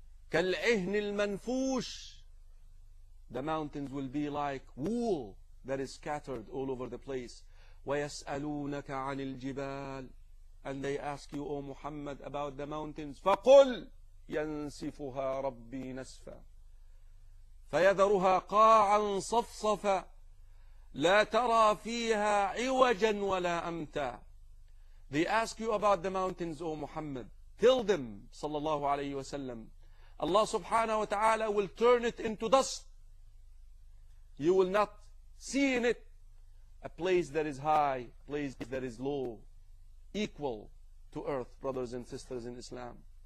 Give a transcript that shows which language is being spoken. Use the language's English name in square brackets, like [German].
[Arabic] كالعهن المنفوش. [English] The mountains will be like wool that is scattered all over the place. [Arabic] ويسألونك عن الجبال. [English] And they ask you, O Muhammad, about the mountains. [Arabic] فقل ينسفها ربي نسفا فيذرها قاعا صفصفا لا ترى فيها عوجا ولا أمتا. [English] They ask you about the mountains, O Muhammad. Tell them, sallallahu alayhi wa sallam, Allah subhanahu wa ta'ala will turn it into dust. You will not see in it a place that is high, a place that is low, equal to earth, brothers and sisters in Islam.